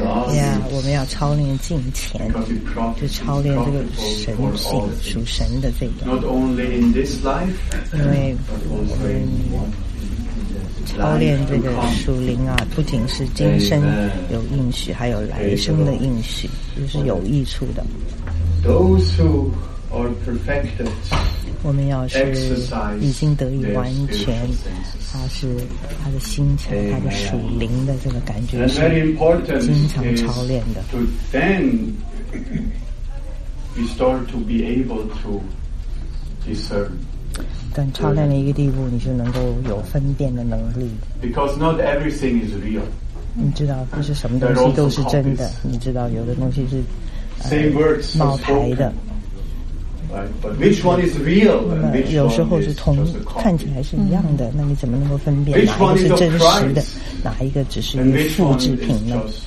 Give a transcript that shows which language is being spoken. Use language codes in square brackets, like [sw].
[zh] Yeah, 我们要操练敬虔，就操练这个神性，属神的这个。 [en] Not only in this life, [zh] 因为我们操练这个属灵啊，不仅是今生有应许，还有来生的应许，就是有益处的。 [en] Those who are perfected. [zh] 我们要是已经得以完全，他是他的心情，他的属灵的这个感觉是经常操练的。 [en] Then we start to be able to discern. [zh] 等操练了一个地步，你就能够有分辨的能力。 [en] Because not everything is real. [zh] 你知道，不是什么东西都是真的。你知道，有的东西是冒牌的。 [en] But which one is real? Which [zh] 有时候是同看起来是一样的，那你怎么能够分辨哪一个是真实的，哪一个只是一个复制品呢？